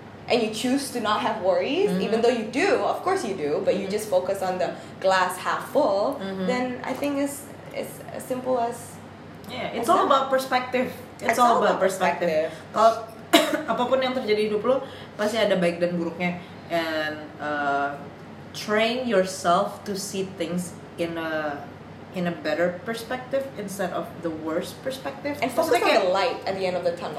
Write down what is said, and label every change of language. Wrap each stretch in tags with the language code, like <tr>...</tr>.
<en>And you choose to not have worries, even though you do, of course you do, but you just focus on the glass half full, then I think it's as simple as... Yeah, it's all about perspective. It's all about perspective.</en> <id>Kalau apapun yang terjadi hidup lo, pasti ada baik dan buruknya.</id> <en>And train yourself to see things in a better perspective instead of the worst perspective. And focus on the light at the end of the tunnel.</en>